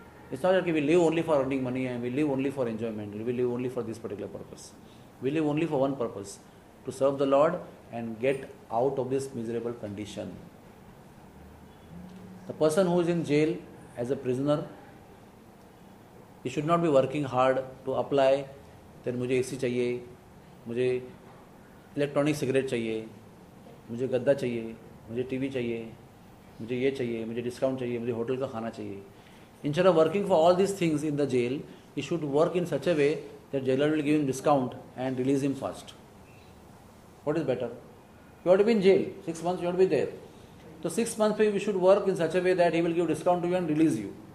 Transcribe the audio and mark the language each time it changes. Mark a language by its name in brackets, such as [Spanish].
[English] It's not that we live only for earning money and we live only for enjoyment. We live only for this particular purpose. We live only for one purpose. To serve the Lord and get out of this miserable condition. The person who is in jail as a prisoner, he should not be working hard to apply. [Hindi] Then मुझे AC चाहिए, मुझे electronic cigarette चाहिए, मुझे गद्दा चाहिए, मुझे TV चाहिए, मुझे ये चाहिए, मुझे discount चाहिए, मुझे hotel का खाना चाहिए. [English] Instead of working for all these things in the jail, he should work in such a way that jailer will give him discount and release him fast. What is better? You have to be in jail, 6 months you have to be there. So 6 months you should work in such a way that he will give discount to you and release you.